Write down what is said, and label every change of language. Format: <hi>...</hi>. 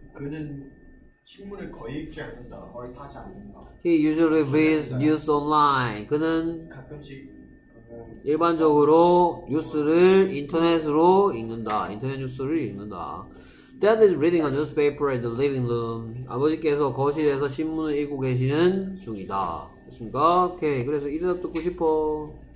<ko>그는 신문을 거의 읽지 않는다. 거의 사지 않는다.</ko> <en>He usually reads news online.</en> <ko>그는 가끔씩 일반적으로 뉴스를 인터넷으로 읽는다. 인터넷 뉴스를 읽는다.</ko> <en>Dad is reading a newspaper in the living room.</en> <ko>아버지께서 거실에서 신문을 읽고 계시는 중이다. 됐습니까? 오케이. 그래서 이 대답 듣고 싶어.</ko>